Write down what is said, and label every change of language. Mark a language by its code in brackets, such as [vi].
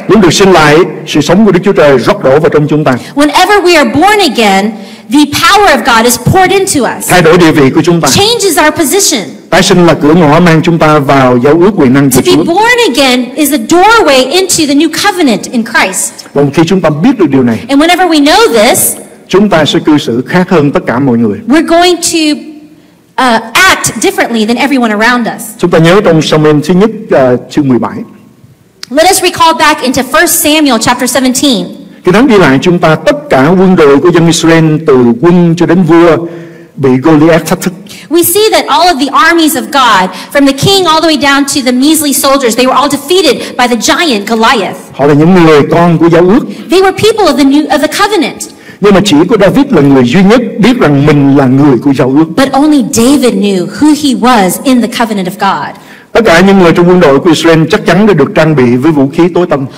[vi] Chúng được sinh lại, sự sống của Đức Chúa Trời rót đổ vào trong chúng ta. [en] Whenever we are born again, the power of God is poured into us. [vi] Thay đổi địa vị của chúng ta. [en] Changes our position. [vi] Tái sinh là cửa ngõ mang chúng ta vào giao ước quyền năng của Chúa. [en] To be born again is a doorway into the new covenant in Christ. [vi] Và khi chúng ta biết được điều này, [en] and whenever we know this, [vi] chúng ta sẽ cư xử khác hơn tất cả mọi người. [en] We're going to act differently than everyone around us. [vi] Chúng ta nhớ trong Sa-mu-ên thứ nhất chương 17. [en] Let us recall back into 1 Samuel chapter 17. [vi] Khi đáng đi lại, chúng ta tất cả quân đội của dân Israel từ quân cho đến vua bị Goliath thách thức. [en] We see that all of the armies of God, from the king all the way down to the measly soldiers, they were all defeated by the giant Goliath. [vi] Họ là những người con của giao ước. [en] They were people of the new of the covenant. [vi] Nhưng mà chỉ có David là người duy nhất biết rằng mình là người của giao ước. [en] But only David knew who he was in the covenant of God. [vi] Tất cả những người trong quân đội của Israel chắc chắn đã được trang bị với vũ khí tối tâm.